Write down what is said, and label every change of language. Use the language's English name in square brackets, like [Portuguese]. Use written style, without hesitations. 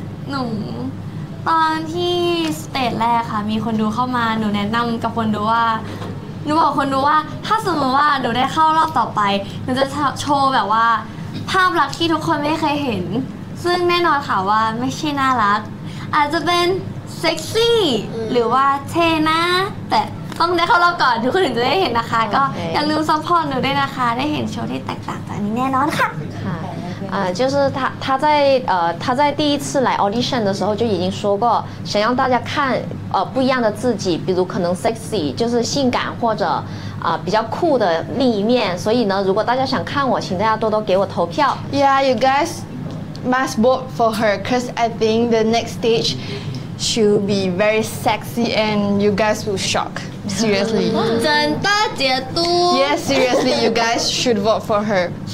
[Thai] หนูตอนที่ stage แรกค่ะมีคนดูเข้ามาหนูแนะนำกับคนดูว่าหนูบอกคนดูว่าถ้าสมมติว่าหนูได้เข้ารอบต่อไปหนูจะโชว์แบบว่าภาพลักษณ์ที่ทุกคนไม่เคยเห็นซึ่งแน่นอนค่ะว่าไม่ใช่น่ารักอาจจะเป็นเซ็กซี่หรือว่าเท่นะแต่ต้องได้เข้ารอบก่อนทุกคนถึงจะได้เห็นนะคะ okay. ก็อย่าลืมซัพพอร์ตหนูด้วยนะคะได้เห็นโชว์ที่แตกต่างจากนี้แน่นอนค่ะ [Chinese] ค่ะ就是他在他在第一次来 audition 的时候就已经说过想让大家看不一样的自己比如可能 sexy 就是性感或者比较酷的另一面所以呢如果大家想看我请大家多多给我投票 [English] Yeah you guys must vote for her because I think the next stageShe'll be very sexy and you guys will shock. Seriously. [Chinese] 真的解读 [English] Yes, seriously, you guys should vote for her.